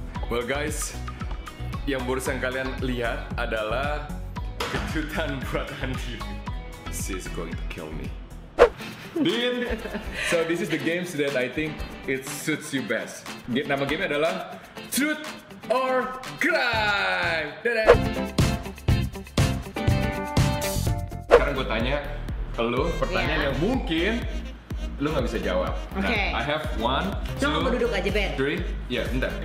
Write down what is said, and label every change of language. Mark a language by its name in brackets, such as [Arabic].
[Indonesian] Well guys, yang barusan kalian lihat adalah kejutan buat Andy. [English] She's going to kill me. Din, so this is the game that I think it suits you best. [Indonesian] Nama game adalah Truth or Crime. Dadah. Sekarang gue tanya lo pertanyaan yang mungkin lo nggak bisa jawab. [English] Okay. Nah, I have one, two, [Indonesian] coba duduk aja, Ben. [English] Three, [Indonesian] ya, bentar.